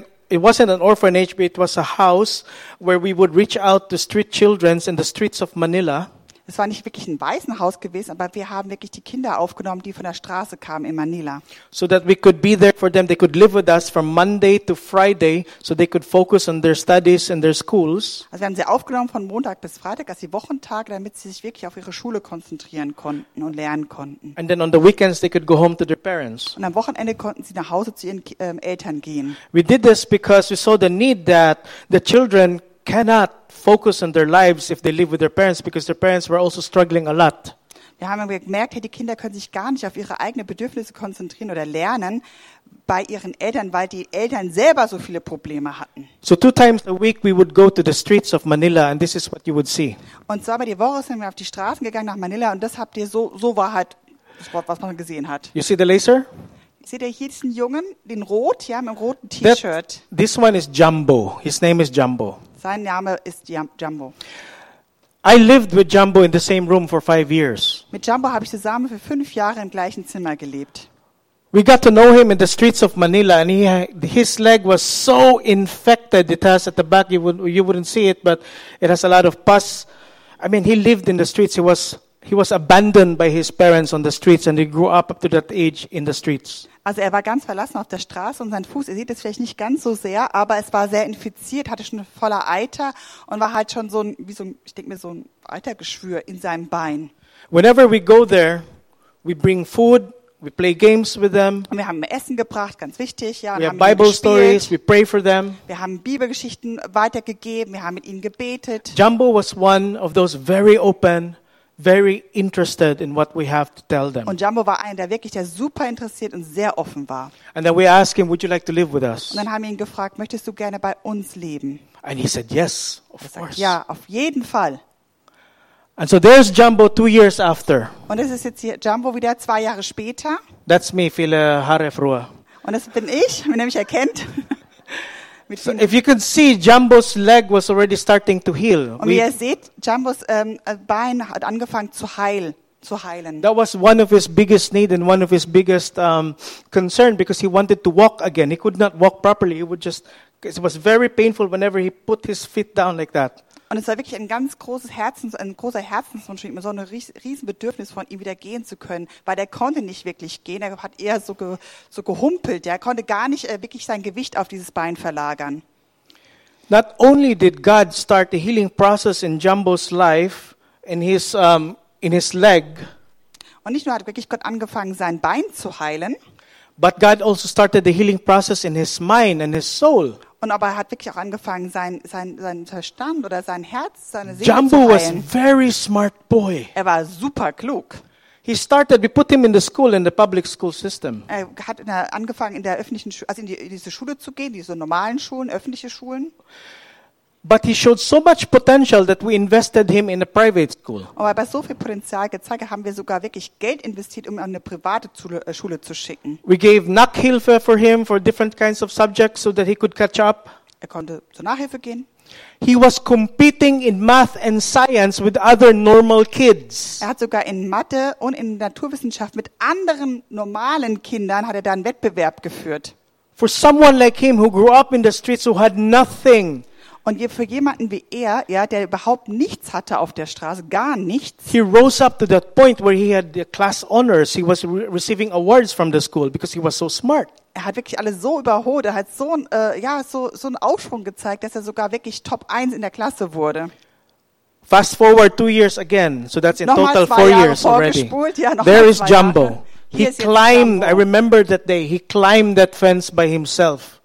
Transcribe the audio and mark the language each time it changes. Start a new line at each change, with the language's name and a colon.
English: It wasn't an orphanage, but it was a house where we would reach out to street children in the streets of Manila.
German: Es war nicht wirklich ein Waisenhaus gewesen, aber wir haben wirklich die Kinder aufgenommen, die von der Straße kamen in Manila.
English: So that we could be there for them, they could live with us from Monday to Friday, so they could focus on their studies and their schools.
German: Also wir haben sie aufgenommen von Montag bis Freitag, also die Wochentage, damit sie sich wirklich auf ihre Schule konzentrieren konnten und lernen konnten.
English: And then on the weekends they could go home to their parents.
German: Und am Wochenende konnten sie nach Hause zu ihren Eltern gehen.
English: We did this because we saw the need that the children cannot focus on their lives if they live with their parents, because their parents were also struggling a lot.
German: Wir haben gemerkt, die Kinder können sich gar nicht auf ihre eigenen Bedürfnisse konzentrieren oder lernen bei ihren Eltern, weil die Eltern selber so viele Probleme hatten.
English: So 2 times a week we would go to the streets of Manila and this is what you would see.
German: Und zweimal die Woche sind wir auf die Straßen gegangen nach Manila und das habt ihr so war halt das Wort, was man gesehen hat.
English: You see the laser?
German: Seht ihr hier diesen Jungen, den rot, ja, mit dem roten T-Shirt?
English: This one is Jumbo. His name is Jumbo.
German: Sein Name ist Jumbo.
English: I lived with Jumbo in the same room for 5 years.
German: Mit Jumbo habe ich zusammen für 5 Jahre im gleichen Zimmer gelebt.
English: We got to know him in the streets of Manila and his leg was so infected. It has at the back, you wouldn't see it, but it has a lot of pus. I mean, he lived in the streets. He was abandoned by his parents on the streets and he grew up to that age in the streets.
German: Also er war ganz verlassen auf der Straße und sein Fuß, ihr seht es vielleicht nicht ganz so sehr, aber es war sehr infiziert, hatte schon voller Eiter und war halt schon so ein, wie so ein, ich denke mir, so ein Eitergeschwür in seinem Bein.
English: Whenever we go there, we bring food, we play games with them.
German: Und wir haben Essen gebracht, ganz wichtig. Ja,
English: we have Bible stories, we pray for them.
German: Wir haben Bibelgeschichten weitergegeben, wir haben mit ihnen gebetet.
English: Jumbo was one of those very open, very interested in what we have to tell them.
German: Und Jumbo war einer, der wirklich super interessiert und sehr offen war.
English: And then we asked him, would you like to live with us?
German: Und dann haben wir ihn gefragt, möchtest du gerne bei uns leben?
English: And he said yes, of course.
German: Ja, auf jeden Fall.
English: And so there's Jumbo 2 years after.
German: Und das ist jetzt hier Jumbo wieder 2 Jahre später.
English: That's me,
German: viele Haare früher. Und das bin ich, wenn er mich erkennt.
English: So if you can see, Jumbo's leg was already starting to heal.
German: Und wie ihr seht, Jumbos Bein hat angefangen zu heilen.
English: That was one of his biggest need and one of his biggest concern, because he wanted to walk again. He could not walk properly. It was very painful whenever he put his feet down like that.
German: Und es war wirklich ein großer Herzenswunsch, immer so ein Riesenbedürfnis von ihm, wieder gehen zu können, weil er konnte nicht wirklich gehen, er hat eher so gehumpelt, er konnte gar nicht wirklich sein Gewicht auf dieses Bein verlagern.
English: Not only did God start the healing process in Jumbo's life, in his leg.
German: Und nicht nur hat wirklich Gott angefangen, sein Bein zu heilen.
English: But God also started the healing process in his mind and his soul.
German: Und aber er hat wirklich auch angefangen, sein Verstand oder sein Herz, seine Seele zu heilen.
English: Jumbo was a very smart boy.
German: Er war super klug.
English: We put him in the school, in the public school system.
German: Er hat angefangen, in der öffentlichen in diese Schule zu gehen, diese normalen Schulen, öffentliche Schulen.
English: But he showed so much potential that we invested him in a private school.
German: Aber bei so viel Potenzial gezeigt, haben wir sogar wirklich Geld investiert, um ihn an eine private Schule zu schicken.
English: We gave Nachhilfe for him for different kinds of subjects so that he could catch up.
German: Er konnte zur Nachhilfe gehen.
English: He was competing in math and science with other normal kids.
German: Er hat sogar in Mathe und in Naturwissenschaft mit anderen normalen Kindern hat er da einen Wettbewerb geführt.
English: For someone like him who grew up in the streets who had nothing.
German: Und für jemanden wie er, ja, der überhaupt nichts hatte auf der Straße, gar nichts.
English: He rose up to that point where he had the class honors. He was receiving awards from the school because he was so smart.
German: Er hat wirklich alles so überholt. Er hat so einen Aufschwung gezeigt, dass er sogar wirklich Top 1 in der Klasse wurde.
English: Fast forward 2 years again. So that's in
German: nochmal
English: total 4 years already.
German: Ja,
English: there is Jumbo. He climbed. I remember that day. He climbed that fence by himself.